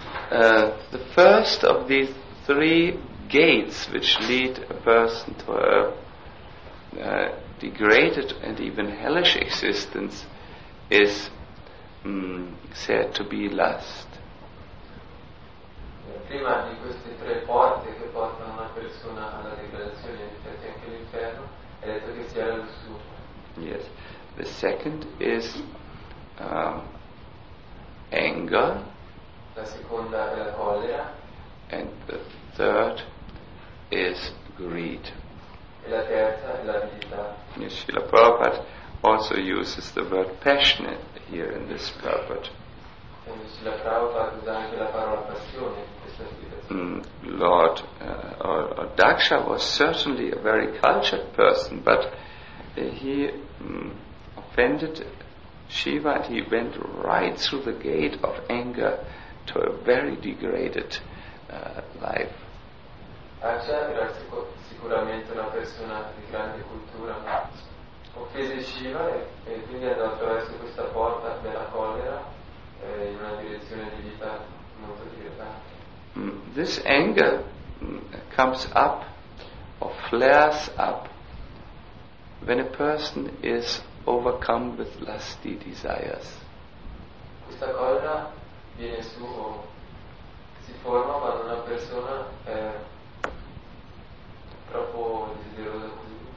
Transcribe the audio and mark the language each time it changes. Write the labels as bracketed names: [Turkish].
[English] The first of these three gates which lead a person to a degraded and even hellish existence is said to be lust. [Italian] Prima di queste tre porte che portano una persona alla degradazione, infatti anche l'inferno, è detto che sia la lussuria. [English] Yes. The second is anger. [Italian] La seconda è la collera. [English] And the third is greed. [Italian] E la terza è l'avidità. [English] Yes, Srila Prabhupada also uses the word passionate here in this purport. [Italian] Srila Prabhupada usa anche la parola passione in questa situazione. [English] Lord or Daksha was certainly a very cultured person, but he offended Shiva and he went right through the gate of anger to a very degraded life. [Italian] Daksha era sicuramente una persona di grande cultura, ma offese Shiva e quindi andò attraverso questa porta della collera in una direzione di vita molto degradata. [English] This anger comes up or flares up when a person is overcome with lusty desires. [Italian] Questa collera viene su o si forma quando una persona è troppo desiderosa di